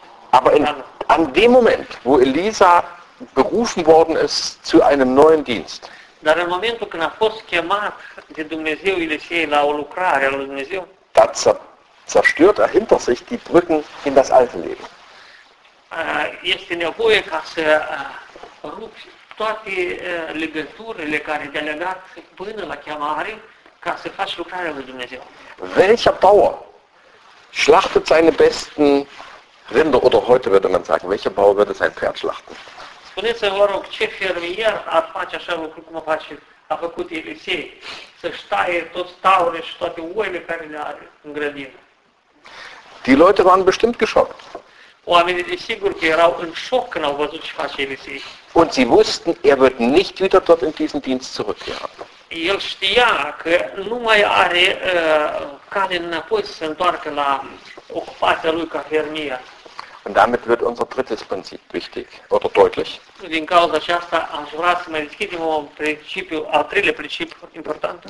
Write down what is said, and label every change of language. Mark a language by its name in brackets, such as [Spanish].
[German] Aber an dem Moment, wo Elisa berufen worden ist zu einem neuen Dienst, [Romanian] dar în momentul când a fost chemat de Dumnezeu Elisei la o lucrare a lui Dumnezeu, [German] da zerstört er hinter sich die Brücken in das alte Leben. [Romanian] Este nevoie ca să rupi toate legăturile care te-a legat până la chemare ca să faci lucrarea lui Dumnezeu. [German] Welcher Bauer schlachtet seine besten Rinder, oder heute würde man sagen, welcher Bauer würde sein Pferd schlachten? [Romanian] Spuneți-mi, vă rog, ce fermier ar face așa lucru cum a făcut Elisei, să-și taie toți taurile și toate oile care le are în grădină? [German] Die Leute waren bestimmt geschockt. [Romanian] Oamenii de sigur că erau în șoc când au văzut ce face Elisei. [German] Und sie wussten, er wird nicht wieder dort in diesen Dienst zurückkehren. [Romanian] El știa că nu mai are cale înapoi să se întoarcă la ocupația lui ca fermier. [German] Und damit wird unser drittes Prinzip wichtig oder deutlich. [Romanian] Din cauza aceasta aș vrea să mai deschidem un principiu, al treilea principiu important.